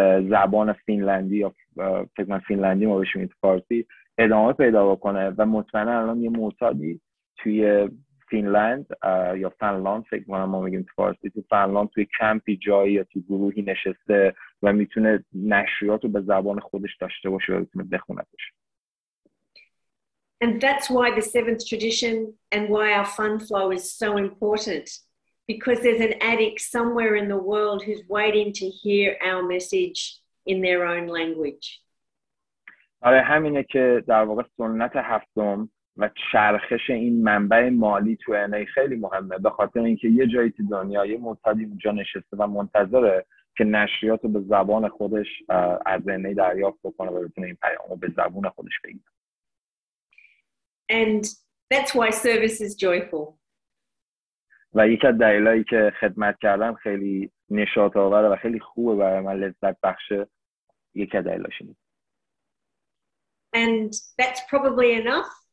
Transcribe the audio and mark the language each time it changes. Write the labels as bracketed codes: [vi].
[fa] زبان فینلندی یا فکر من فینلندی ما بشیم تو فارسی ادامه پیدا بکنه و مطمئنه الان یه معتادی توی فینلند یا فنلاند فکر کنم ما میگیم تو فارسی، تو فنلاند توی کمپی جایی یا توی گروهی نشسته و میتونه نشریات رو به زبان خودش داشته باشه و میتونه بخونه باشه. [en] And that's why the seventh tradition and why our fun flow is so important, because there's an addict somewhere in the world who's waiting to hear our message in their own language. [fa] برای همینه که در واقع سنت هفتم و چرخش این منبع مالی تو انای خیلی مهمه، به خاطر اینکه یه جایی تو دنیا یه مرتدی اونجا نشسته و منتظره که نشریاتو به زبان خودش از انای دریافت بکنه و بتونه این پیامو به زبان خودش بگیره. [en] And that's why service is joyful. [fa] و یکی از دلایلی که خدمت کردن خیلی نشاط آوره و خیلی خوبه برای من، لذت بخشه، یکی از دلایلش اینه. [en] And that's probably enough.